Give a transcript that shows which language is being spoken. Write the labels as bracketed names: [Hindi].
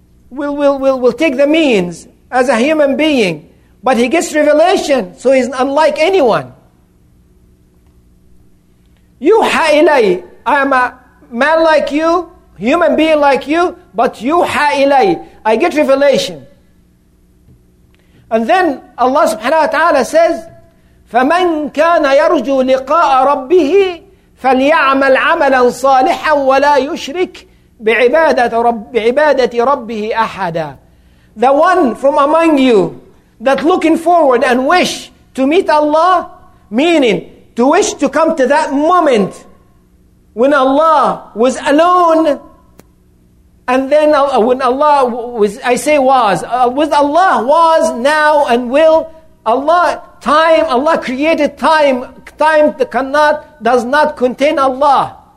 [English] We'll take the means as a human being, but he gets revelation, so he's unlike anyone. [Arabic] يُوحَى إِلَيْهِ. [English] I am a man like you, human being like you, but [Arabic] يُوحَى إِلَيْهِ. [English] I get revelation. And then Allah subhanahu wa ta'ala says, [Arabic] فَمَنْ كَانَ يَرْجُو لِقَاءَ رَبِّهِ فَلْيَعْمَلْ عَمَلًا صَالِحًا وَلَا يُشْرِكْ بِعِبَادَةِ رَبِّهِ أَحَدًا. [English] The one from among you that looking forward and wish to meet Allah, meaning to wish to come to that moment when Allah was alone, and then when Allah was, I say was, with Allah was, now and will, Allah, time, Allah created time, time cannot, does not contain Allah.